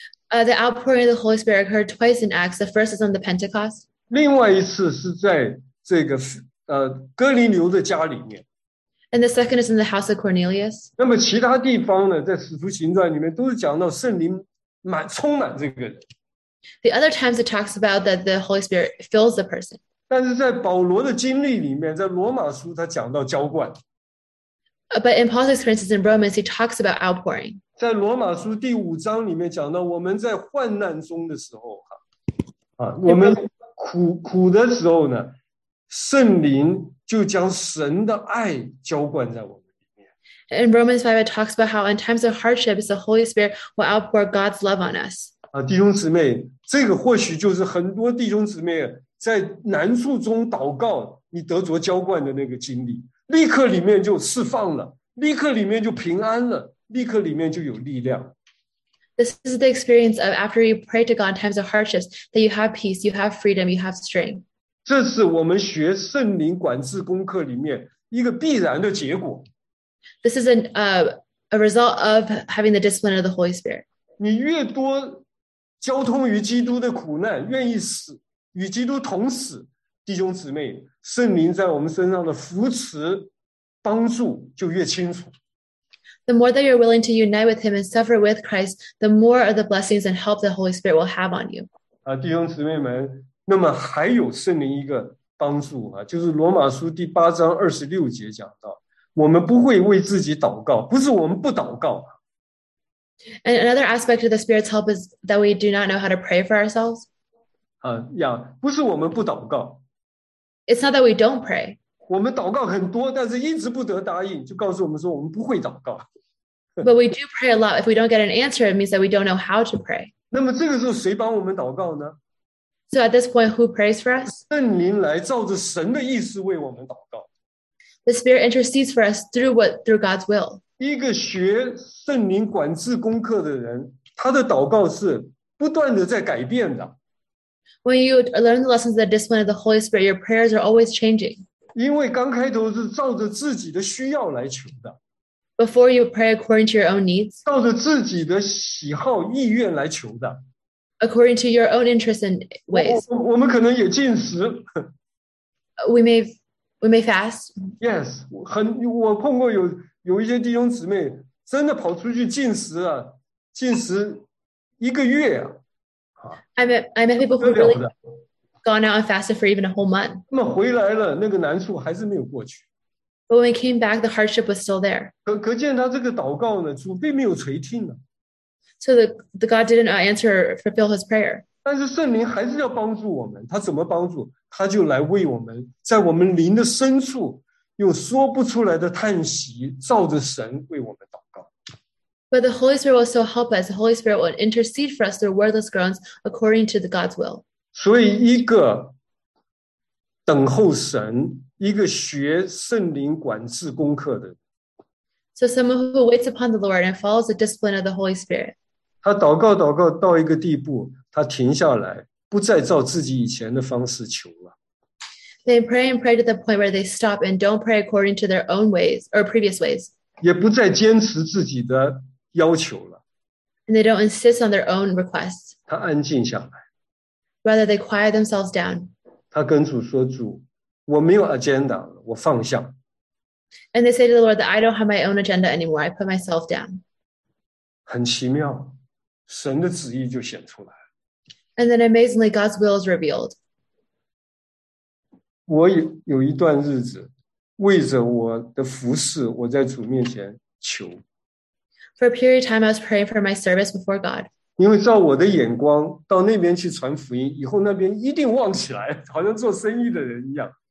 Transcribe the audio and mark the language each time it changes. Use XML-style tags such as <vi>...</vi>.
<en>The outpouring of the Holy Spirit occurred twice in Acts. The first is on the Pentecost.</en> <zh>另外一次是在这个哥林流的家里面。</zh> <en>And the second is in the house of Cornelius.</en> <zh>那么其他地方呢，在使徒行传里面都是讲到圣灵满充满这个人。</zh> <en>The other times it talks about that the Holy Spirit fills the person.</en> <zh>但是在保罗的经历里面，在罗马书他讲到浇灌。</zh> <en>But in Paul's experiences in Romans, he talks about outpouring.</en> <zh>在罗马书第五章里面讲到我们在患难中的时候啊，我们苦的时候呢，圣灵就将神的爱浇灌在我们里面。</zh> <en>In Romans 5, it talks about how in times of hardship, the Holy Spirit will outpour God's love on us.</en> <zh>弟兄姊妹，这个或许就是很多弟兄姊妹在难处中祷告，你得着浇灌的那个经历，立刻里面就释放了，立刻里面就平安了，立刻里面就有力量。</zh> <en>This is the experience of after you pray to God in times of hardships, that you have peace, you have freedom, you have strength.</en> <zh>这是我们学圣灵管制功课里面一个必然的结果。</zh> <en>This is a result of having the discipline of the Holy Spirit.</en> <zh>你越多交通于基督的苦难，愿意死，与基督同死，弟兄姊妹，圣灵在我们身上的扶持，帮助就越清楚。</zh> <en>The more that you're willing to unite with him and suffer with Christ, the more of the blessings and help the Holy Spirit will have on you.</en> <zh>弟兄姊妹们，那么还有圣灵一个帮助啊，就是罗马书第八章二十六节讲到，我们不会为自己祷告，不是我们不祷告。</zh> <en>And another aspect of the Spirit's help is that we do not know how to pray for ourselves.</en> <zh>不是我们不祷告。</zh> <en>It's not that we don't pray.</en> <zh>我们祷告很多，但是一直不得答应，就告诉我们说我们不会祷告。</zh> <en>But we do pray a lot. If we don't get an answer, it means that we don't know how to pray.</en> <zh>那么这个时候谁帮我们祷告呢？</zh> <en>So at this point, who prays for us?</en> <zh>圣灵来照着神的意思为我们祷告。</zh> <en>The Spirit intercedes for us through God's will.</en> <zh>一个学圣灵管制功课的人，他的祷告是不断的在改变的。</zh> <en>When you learn the lessons of the discipline of the Holy Spirit, your prayers are always changing.</en> <zh>因为刚开头是照着自己的需要来求的。</zh> <en>Before you pray according to your own needs.</en> <zh>照着自己的喜好意愿来求的。</zh> <en>according to your own interests and ways.</en> <zh>我们可能也禁食。</zh> <en>We may fast.</en> <zh>Yes, 我碰过有一些弟兄姊妹真的跑出去禁食啊，禁食一个月啊。</zh> <en>I met people who really gone out and fasted for even a whole month.</en> <zh>那么回来了，那个难处还是没有过去。</zh> <en>But when we came back, the hardship was still there.</en> <zh>可见他这个祷告呢，主并没有垂听呢。</zh> <en>So the God didn't answer or fulfill his prayer.</en> <zh>但是圣灵还是要帮助我们，他怎么帮助？他就来为我们，在我们灵的深处，用说不出来的叹息，照着神为我们祷告。</zh> <en>But the Holy Spirit will still help us. The Holy Spirit will intercede for us through wordless groans according to God's will.</en> <zh>所以一个等候神，一个学圣灵管制功课的。</zh> <en>So someone who waits upon the Lord and follows the discipline of the Holy Spirit.</en> <zh>他祷告祷告到一个地步，他停下来，不再照自己以前的方式求了。</zh> <en>They pray and pray to the point where they stop and don't pray according to their own ways or previous ways.</en> <zh>也不再坚持自己的要求了。</zh> <en>And they don't insist on their own requests.</en> <zh>他安静下来。</zh> <en>Rather, they quiet themselves down.</en> <zh>他跟主说，主，我没有 agenda 了，我放下。</zh> <en>And they say to the Lord that I don't have my own agenda anymore. I put myself down.</en> <zh>很奇妙，神的旨意就显出来。</zh> <en>And then amazingly, God's will is revealed.</en> <zh>我有一段日子，为着我的服事，我在主面前求。</zh> <en>For a period of time, I was praying for my service before God.</en> <zh>因为照我的眼光，到那边去传福音，以后那边一定旺起来，好像做生意的人一样。</zh>